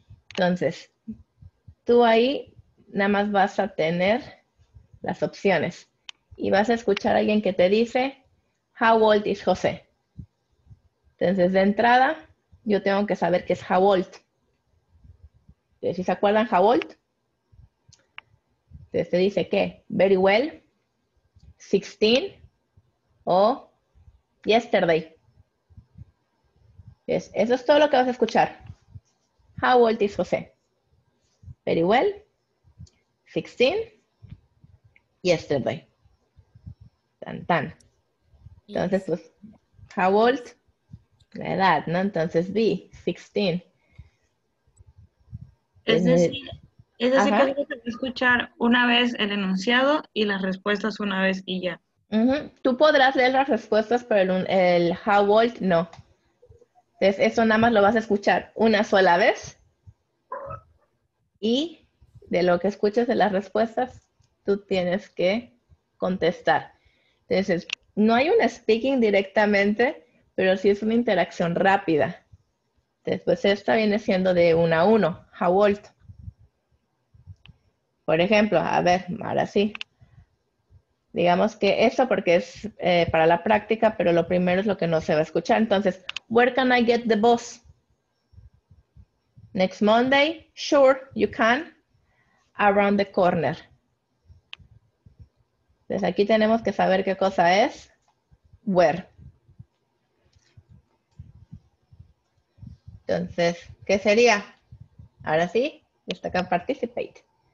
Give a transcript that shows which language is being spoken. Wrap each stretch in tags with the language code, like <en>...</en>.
<es>Entonces, tú ahí nada más vas a tener las opciones y vas a escuchar a alguien que te dice,</es> <en>How old is José?</en> <es>Entonces, de entrada, yo tengo que saber qué es How old. ¿Sí se acuerdan How old? Entonces te dice que,</es> <en>very well,</en> <es>16 o yesterday. Entonces, eso es todo lo que vas a escuchar.</es> <en>How old is José? Very well, 16, yesterday.</en> <es>Tan, tan. Entonces, pues, how old? La edad, ¿no? Entonces, be, 16. Es decir, que Ajá. solo se va a escuchar una vez el enunciado y las respuestas una vez y ya. Tú podrás leer las respuestas, pero el how old no. Entonces, eso nada más lo vas a escuchar una sola vez. Y de lo que escuches de las respuestas, tú tienes que contestar. Entonces, no hay un speaking directamente, pero sí es una interacción rápida. Después, esta viene siendo de uno a uno. How old? Por ejemplo, a ver, ahora sí. Digamos que eso porque es para la práctica, pero lo primero es lo que no se va a escuchar.</es> <en>Entonces, where can I get the bus? Next Monday, sure, you can. Around the corner.</en> <es>Entonces, aquí tenemos que saber qué cosa es.</es> <en>Where.</en> <es>Entonces, ¿qué sería? Ahora sí, destaca participate.</es>